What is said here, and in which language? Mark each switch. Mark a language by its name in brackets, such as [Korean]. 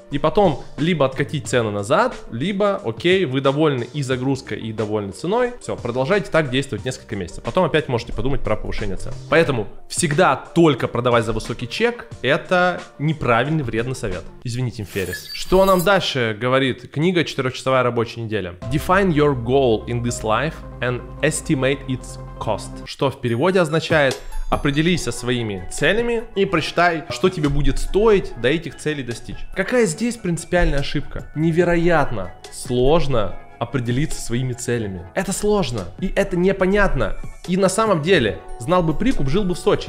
[Russian] и потом либо откатить цены назад, либо, окей, вы довольны и загрузкой, и довольны ценой. Все, продолжайте так действовать несколько месяцев. Потом опять можете подумать про повышение цен. Поэтому всегда только продавать за высокий чек – это неправильный, вредный совет. Извините, Ферис. Что нам дальше говорит книга «4-часовая рабочая неделя»? [English] Define your goal in this life and estimate its cost. [Russian] Что в переводе означает? Определись со своими целями и прочитай, что тебе будет стоить до этих целей достичь. Какая здесь принципиальная ошибка? Невероятно сложно определиться своими целями. Это сложно, и это непонятно. И на самом деле, знал бы прикуп, жил бы в Сочи.